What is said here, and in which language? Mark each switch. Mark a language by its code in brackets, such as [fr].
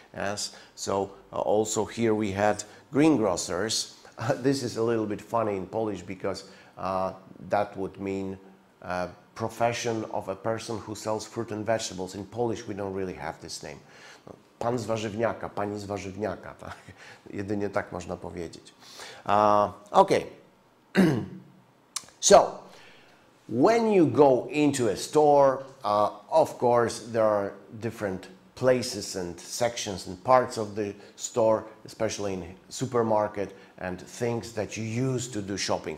[en] Yes, so also here we had greengrocers. This is a little bit funny in Polish because that would mean a profession of a person who sells fruit and vegetables. In Polish we don't really have this name. [pl] Pan z warzywniaka, pani z warzywniaka, tak? Jedynie tak można powiedzieć. [en] Okay. So, when you go into a store, of course, there are different places and sections and parts of the store, especially in supermarket, and things that you use to do shopping.